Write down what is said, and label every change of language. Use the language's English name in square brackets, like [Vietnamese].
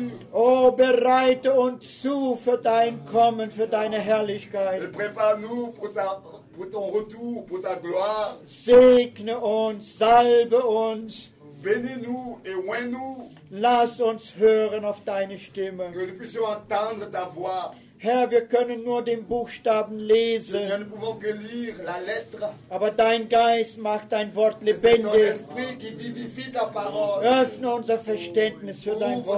[German] O, bereite uns zu für dein Kommen, für deine Herrlichkeit. [French] Prépare-nous pour ta, pour ton retour, pour ta gloire. [German] Segne uns, salbe uns. [French] Bénis-nous et oins-nous. [German] Lass uns hören auf deine Stimme. [French] Que nous puissions entendre ta voix. [German] Herr, wir können nur den Buchstaben lesen. [French] Nous ne pouvons que lire la lettre. [German] Aber dein Geist macht dein Wort lebendig. [French] C'est ton esprit qui vivifie ta parole. [German] Öffne unser Verständnis für dein Wort.